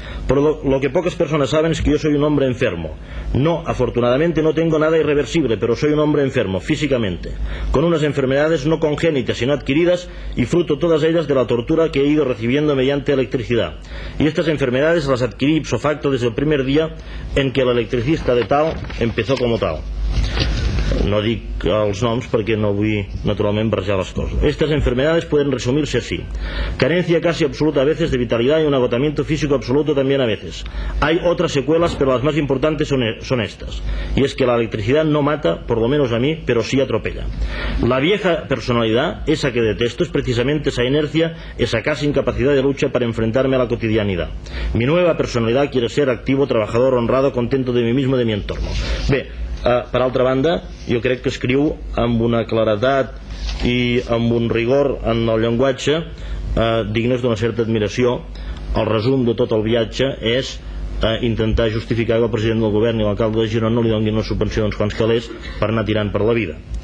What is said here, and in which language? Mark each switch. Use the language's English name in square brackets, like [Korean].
[Catalan] Però lo que poques persones saben és que jo [Spanish] soy un hombre enfermo. No, afortunadamente no tengo nada irreversible, pero soy un hombre enfermo, físicamente. Con unas enfermedades no congénitas, sino adquiridas, y fruto todas ellas de la tortura que he ido recibiendo mediante electricidad. Y estas enfermedades las adquirí ipso facto desde el primer día en que el electricista de Tao empezó como Tao. [Catalan] No dic els noms perquè no vull naturalment barrejar les coses. [Spanish] Estas enfermedades pueden resumirse así: carencia casi absoluta a veces de vitalidad y un agotamiento físico absoluto también a veces. Hay otras secuelas, pero las más importantes son estas. Y es que la electricidad no mata, por lo menos a mí, pero sí atropella. La vieja personalidad, esa que detesto, es precisamente esa inercia, esa casi incapacidad de lucha para enfrentarme a la cotidianidad. Mi nueva personalidad quiere ser activo, trabajador, honrado, contento de mí mismo y de mi entorno. [Catalan] Bé, per altra banda, jo crec que escriu amb una claredat i amb un rigor en el llenguatge dignes d'una certa admiració. El resum de tot el viatge és intentar justificar que el president del govern i l'alcalde de Girona no li donin una subvenció d'uns quants calés per anar tirant per la vida.